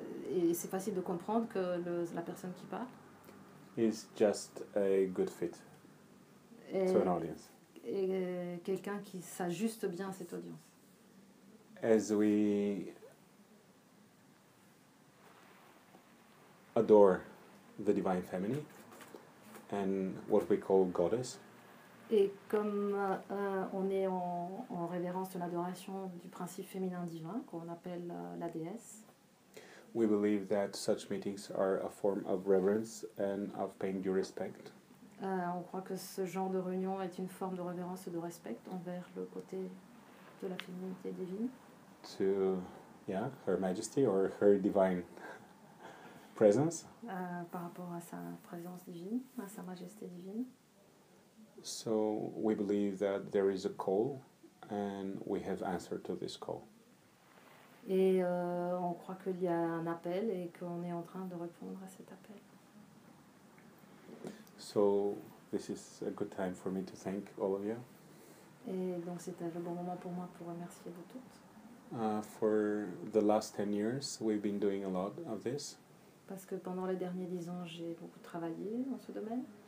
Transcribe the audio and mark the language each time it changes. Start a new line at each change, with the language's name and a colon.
French: Et c'est facile de comprendre que la personne qui parle.
English: Is just a good fit to an audience.
French: Et quelqu'un qui s'ajuste bien à cette audience.
English: As we adore the divine feminine and what we call goddess.
French: Et comme on est en révérence de l'adoration du principe féminin divin qu'on appelle la déesse.
English: We believe that such meetings are a form of reverence and of paying due respect.
French: On croit que ce genre de réunion est une forme de révérence et de respect envers le côté de la féminité divine.
English: To, Her Majesty or her divine presence.
French: Par rapport à sa présence divine, à sa majesté divine.
English: So we believe that there is a call, and we have answered to this call.
French: Et on croit qu'il y a un appel et qu'on est en train de répondre à cet appel.
English: So, this is a good time for me to thank all of you.
French: Et donc c'est un bon moment pour moi pour remercier vous toutes.
English: For the last 10 years, we've been doing a lot of this.
French: Parce que pendant les derniers 10 ans, j'ai beaucoup travaillé dans ce domaine.